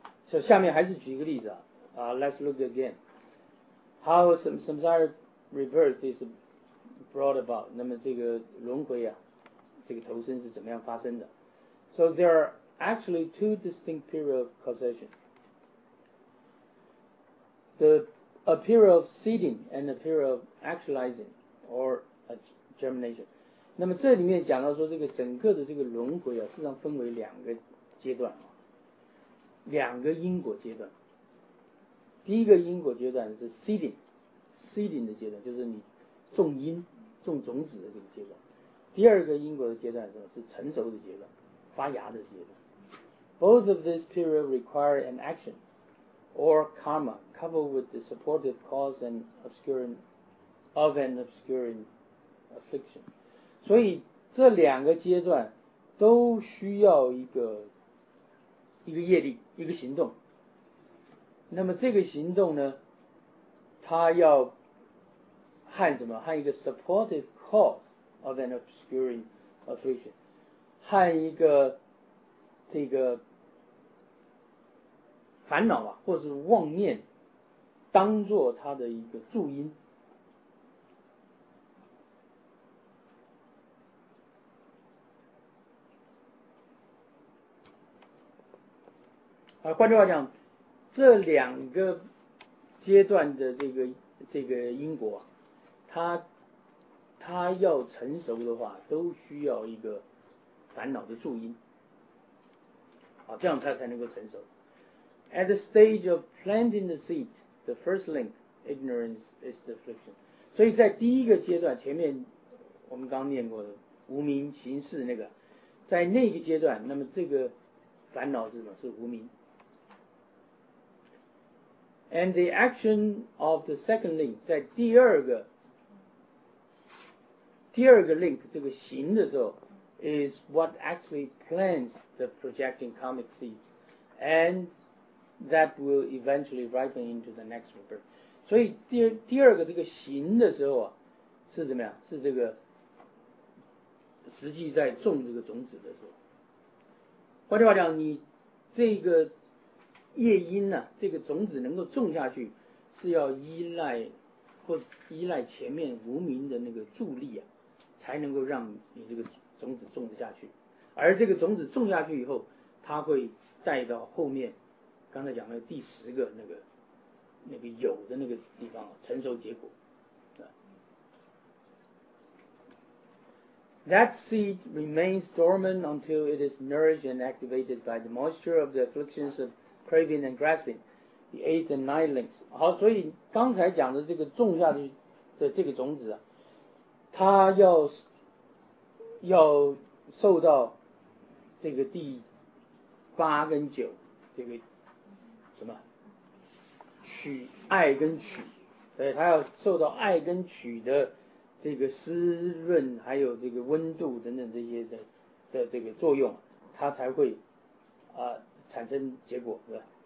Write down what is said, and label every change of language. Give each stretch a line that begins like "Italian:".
English: So,
Chinese: 下面还是举一个例子啊、
English: let's look again. How samsara rebirth is brought about.
Chinese: 那么这个轮回啊，这个投生是怎么样发生的。
English: So, there are actually two distinct periods of causation. A period of seeding and a period of actualizing or a germination.
Chinese: 那么这里面讲到说这个整个的这个轮回啊，实际上分为两个阶段。两个因果阶段，第一个因果阶段是 seeding 的阶段，就是你种因种种子的这个阶段。第二个因果的阶段是成熟的阶段，发芽的阶段。
English: Both of this period require an action or karma coupled with the supportive cause and obscuring of an obscuring affliction.
Chinese: 所以这两个阶段都需要一个业力，一个行动。那么这个行动呢，它要和什么？和一个
English: supportive cause of an obscuring affliction，
Chinese: 和一个这个烦恼啊，或是妄念，当做它的一个助因。换句话讲，这两个阶段的这个因果，它要成熟的话，都需要一个烦恼的助因，啊，这样它才能够成熟。
English: At the stage of planting the seed, the first link, ignorance is the affliction.
Chinese: 所以在第一个阶段，前面我们刚念过的无明行事那个，在那个阶段，那么这个烦恼是什么？是无明。
English: And the action of the second link,
Chinese: 在第二个 link 这个行的时候
English: is what actually plants the projecting karmic seeds, and that will eventually ripen into the next rebirth.
Chinese: 所以第二个这个行的时候啊，是怎么样？是这个实际在种这个种子的时候。换句话讲，你这个业因呢、啊，这个种子能够种下去，是要依赖前面无明的那个助力啊，才能够让你这个种子种得下去。而这个种子种下去以后，它会带到后面，刚才讲的第十个那个有的那个地方、啊、成熟结果。
English: That seed remains dormant until it is nourished and activated by the moisture of the afflictions of craving and grasping, the eighth and ninth links.
Chinese: 好，所以刚才讲的这个种下去的这个种子啊，它要受到这个第八跟九这个什么取爱跟取，对，它要受到爱跟取的这个湿润还有这个温度等等这些的这个作用，它才会啊。产生结果，对吧？